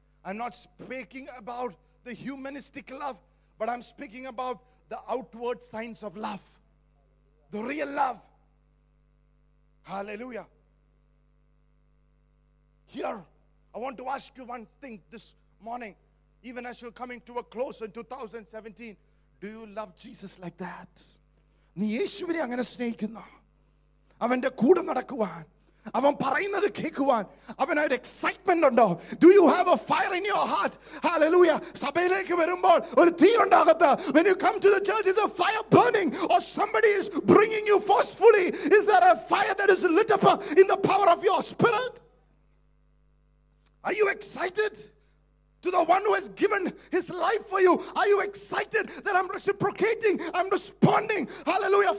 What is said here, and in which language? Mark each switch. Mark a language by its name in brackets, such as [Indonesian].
[English] I'm not speaking about the humanistic love, but I'm speaking about the outward signs of love. Hallelujah. The real love. Hallelujah. Here, I want to ask you one thing this morning, even as you're coming to a close in 2017. Do you love Jesus like that? [Malayalam] Nee Yeshuvine angane snehikkunna. അവൻ്റെ കൂടെ നടക്കുവാൻ അവൻ പറയുന്നത് കേൾക്കുവാൻ അവനൊരു excitement ഉണ്ടോ? [English] Do you have a fire in your heart? [Malayalam] Hallelujah! സഭയിലേക്ക് വരുമ്പോൾ ഒരു തീ ഉണ്ടാകത്ത. [English] When you come to the church, is a fire burning or somebody is bringing you forcefully? Is there a fire that is lit up in the power of your spirit? Are you excited to the one who has given his life for you? Are you excited that I'm reciprocating, I'm responding? Hallelujah!